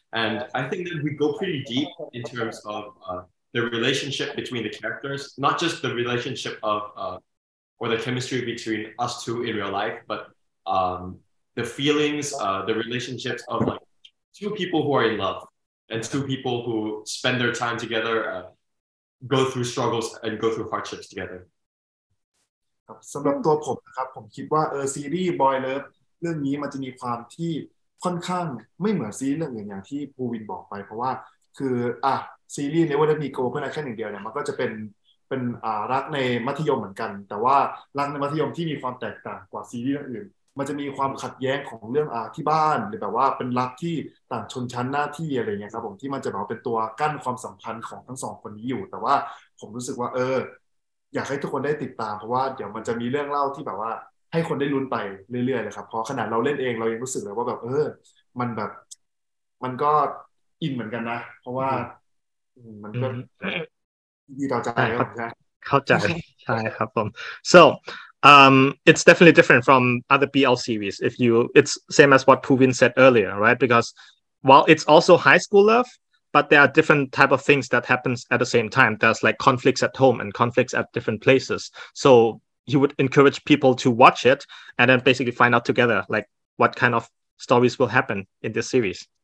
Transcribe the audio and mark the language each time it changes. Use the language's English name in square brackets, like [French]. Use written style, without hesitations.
[English] And I think that we go pretty deep in terms of the relationship between the characters, not just the relationship of, or the chemistry between us two in real life, but the feelings, the relationships of like two people who are in love and two people who spend their time together, go through struggles and go through hardships together. [Thai] สำหรับตัวผมนะครับผมคิดว่าซีรีส์ Boy Love เรื่องนี้มันจะมีความที่ค่อนข้างไม่เหมือนซีรีส์เรื่องอื่นอย่างที่ภูวินบอกไปเพราะว่าคืออ่ะซีรีส์ Never Let Me Go เพื่อนรักแค่หนึ่งเดียวเนี่ยมันก็จะเป็น รักในมัธยมเหมือนกันแต่ว่ารักในมัธยมที่มีความแตกต่างกว่าซีรีส์เรื่องอื่นมันจะมีความขัดแย้งของเรื่องที่บ้านหรือแบบว่าเป็นรักที่ต่างชนชั้นหน้าที่อะไรเงี้ยครับผมที่มันจะแบบเป็นตัวกั้นความสัมพันธ์ของทั้งสองคนนี้อยู่แต่ว่าผมรู้สึกว่า อยากให้ทุกคนได้ติดตามเพราะว่าเดี๋ยวมันจะมีเรื่องเล่าที่แบบว่าให้คนได้ลุ้นไปเรื่อยๆเลยครับเพราะขนาดเราเล่นเองเรายังรู้สึกเลยว่าแบบมันแบบมันก็อินเหมือนกันนะเพราะว่ามันก็ดีต่อใจครับ ใช่เข้าใจใช่ครับผม [English] so it's definitely different from other BL series if you it's same as what Phuwin said earlier right because while it's also high school loveBut there are different type of things that happens at the same time. There's like conflicts at home and conflicts at different places. So you would encourage people to watch it and then basically find out together like what kind of stories will happen in this series.